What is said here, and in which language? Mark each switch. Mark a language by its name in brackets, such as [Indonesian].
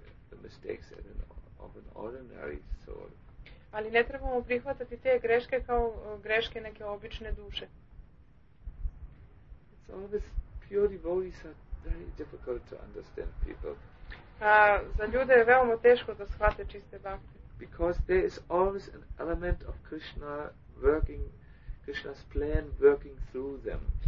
[English] The mistakes of an ordinary soul. [Serbian] Ali ne trebamo prihvatati te greške kao greške neke obične duše. [English] It's always pure devotees are very difficult to understand people. [Serbian] Za ljude je veoma teško da shvate čiste bhakte. [English] Because there is always an element of Krishna working, Krishna's plan working through them.